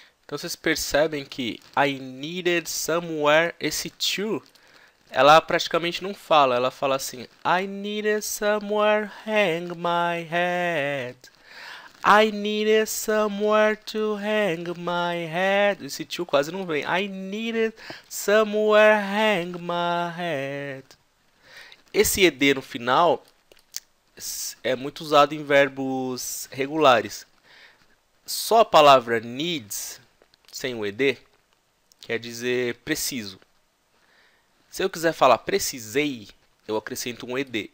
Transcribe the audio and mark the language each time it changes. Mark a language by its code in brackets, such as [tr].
[pt] Então vocês percebem que I needed somewhere, esse to, ela praticamente não fala, ela fala assim: [en] I needed somewhere hang my head. I needed somewhere to hang my head. [pt] Esse to quase não vem. [en] I needed somewhere hang my head. [pt] Esse ED no final é muito usado em verbos regulares. Só a palavra needs. Sem o ED, quer dizer preciso. Se eu quiser falar precisei, eu acrescento um ED.